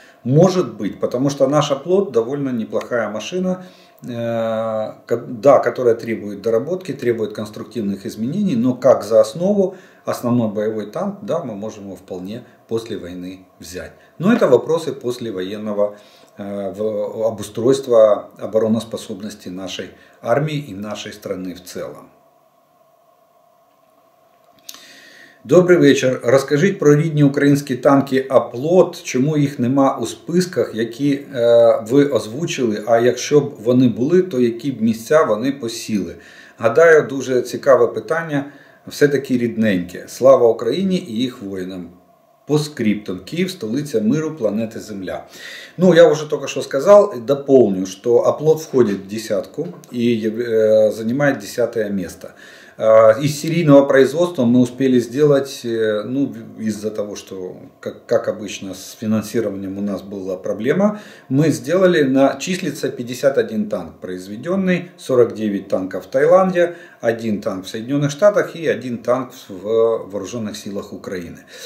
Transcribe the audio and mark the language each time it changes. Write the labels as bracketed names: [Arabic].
[Russian] Может быть, потому что наш «Оплот» довольно неплохая машина, да, которая требует доработки, требует конструктивных изменений, но как за основу основной боевой танк, да, мы можем его вполне после войны взять. Но это вопросы послевоенного обустройства обороноспособности нашей армии и нашей страны в целом. Добрый вечер. [Ukrainian] Расскажіть про рідні українські танки «Оплот», чому їх нема у списках, які ви озвучили, а якщо б вони були, то які б місця вони посіли? Гадаю, дуже цікаве питання, все-таки рідненьке. Слава Україні і їх воїнам. [Russian] По скриптам. [Ukrainian] Київ – столиця миру планети Земля. Ну, я вже тільки що сказав, доповню, що «Оплот» входить в десятку і займає 10-е місце. [Russian] Из серийного производства мы успели сделать, ну, из-за того, что, как обычно, с финансированием у нас была проблема, мы сделали, числится 51 танк произведенный, 49 танков в Таиланде, один танк в Соединенных Штатах и один танк в Вооруженных Силах Украины.